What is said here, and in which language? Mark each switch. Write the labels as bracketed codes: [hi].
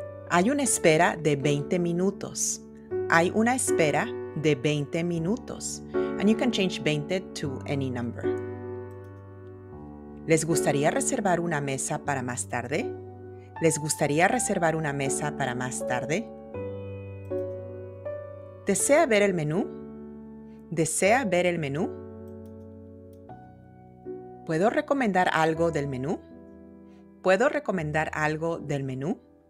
[es] Hay una espera de 20 minutos. Hay una espera de 20 minutos. [en] And you can change 20 to any number. [es] ¿Les gustaría reservar una mesa para más tarde? ¿Les gustaría reservar una mesa para más tarde? ¿Desea ver el menú? ¿Desea ver el menú? ¿Puedo recomendar algo del menú? ¿Puedo recomendar algo del menú?